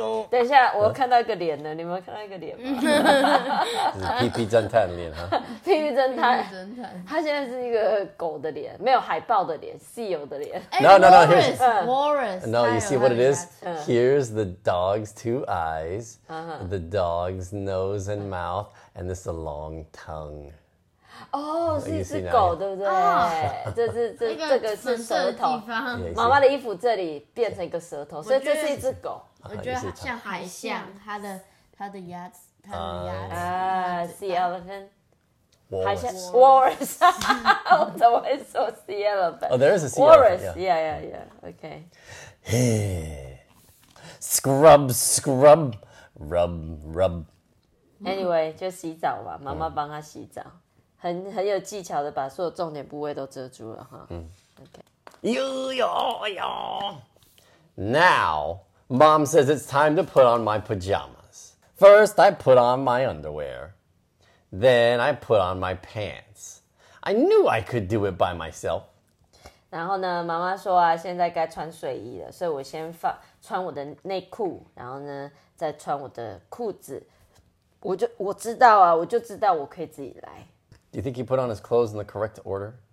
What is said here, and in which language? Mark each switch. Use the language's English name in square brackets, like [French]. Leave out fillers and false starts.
[Chinese] 等一下，我看到一个脸了，你们看到一个脸吗？屁屁侦探脸哈。屁屁侦探，他现在是一个狗的脸，没有海豹的脸 ，CEO 的脸。 [English] No, here's Morris. No, you see what it is? Here's the dog's two eyes, the dog's nose and mouth, and this is a long tongue. [Chinese] 哦，是一只狗，对不对？这个是舌头。妈妈的衣服这里变成一个舌头，所以这是一只狗。我觉得像海象，它的牙齿，它的牙齿。 [English] 啊 ，Sea elephant。 Walrus. Walrus. How do I say sea elephant? Oh, there is a sea Walrus. Elephant. Walrus. Yeah, yeah, yeah. Okay. Scrub, scrub, rub, rub. [Chinese] Anyway, 就洗澡吧，妈妈帮他洗澡，很有技巧的把所有重点部位都遮住了哈。嗯 ，OK。 [English] 哟哟哟 ！Now, Mom says it's time to put on my pajamas. First, I put on my underwear. Then I put on my pants. I knew I could do it by myself. [Chinese] 然后呢，妈妈说啊，现在该穿睡衣了，所以我先穿我的内裤，然后呢，再穿我的裤子。我知道啊，我就知道我可以自己来。 [English] Do you think he put on his clothes in the correct order?